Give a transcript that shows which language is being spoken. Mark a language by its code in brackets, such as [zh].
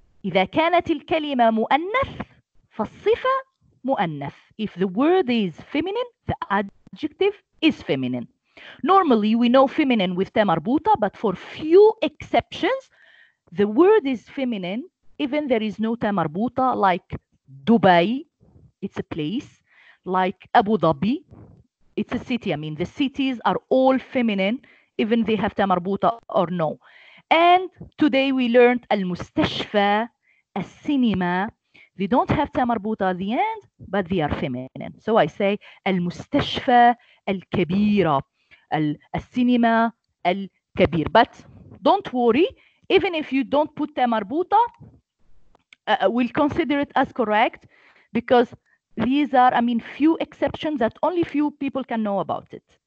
[ar] إذا كانت الكلمة مؤنث فالصفة مؤنث. [en] If the word is feminine, the adjective is feminine. Normally, we know feminine with تاء مربوطة, but for few exceptions, the word is feminine even there is no تاء مربوطة, like Dubai, it's a place, like Abu Dhabi, it's a city. I mean, the cities are all feminine, even they have تاء مربوطة or no. And today we learned المستشفى, a cinema. They don't have تاء مربوطة at the end, but they are feminine. So I say [ar] المستشفى الكبيرة, السينما الكبير. [en] But don't worry, even if you don't put تاء مربوطة, we'll consider it as correct, because these are, I mean, few exceptions that only few people can know about it.